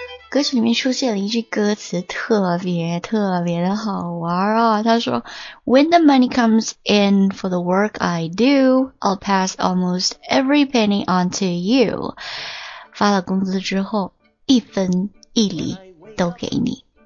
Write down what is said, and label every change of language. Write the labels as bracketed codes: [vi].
[zh] 歌曲里面出现了一句歌词，特别特别的好玩哦。他说 [en] ：“When the money comes in for the work I do, I'll pass almost every penny on to you。” [zh] 发了工资之后，一分一厘都给你。